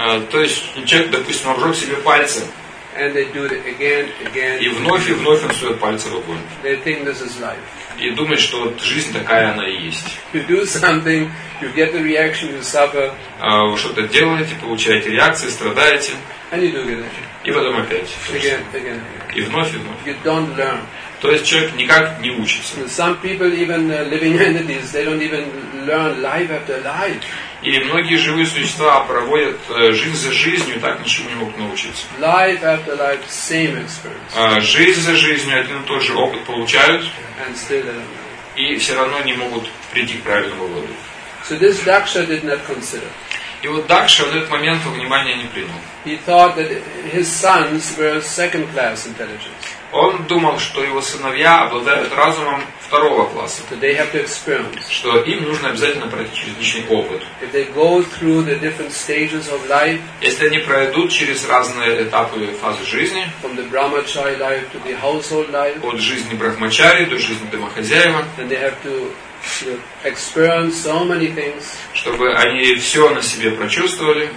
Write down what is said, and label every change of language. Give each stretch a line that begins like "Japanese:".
Russian: То есть человек, допустим, обжег себе пальцы.
English: And they do it again, again.
Russian: И вновь и вновь он сует пальцы в огонь.
English: They think this is life.
Russian: И думает, что вот жизнь такая она и есть.
English: You do something, you get the reaction, you suffer.
Russian: Вы что-то делаете, получаете реакции, страдаете.
English: And you do it again.
Russian: И потом опять.
English: Again, again, again.
Russian: И вновь и вновь.
English: You don't learn.
Russian: То есть человек никак не учится.
English: Some people even living entities, they don't even learn life after life.
Russian: И многие живые существа проводят жизнь за жизнью, так ничему не могут научиться.
English: Life after life, same experience.
Russian: Жизнь за жизнью один и тот же опыт получают.
English: And still,
Russian: и все равно не могут прийти к правильному выводу.
English: So this Daksha did not consider.
Russian: И вот Дакша в этот момент во внимание не принял.
English: He thought that his sons were second-class intelligence.
Russian: Он думал, что его сыновья обладают разумом второго класса.
English: That they have to experience.
Russian: Что им нужно обязательно пройти через личный опыт.
English: If they go through the different stages of life.
Russian: Если они пройдут через разные этапы и фазы жизни.
English: From the brahmachari life to the household life.
Russian: От жизни брахмачари до жизни домохозяина.
English: Then they have to experience so many things.
Russian: Чтобы они все на себе прочувствовали.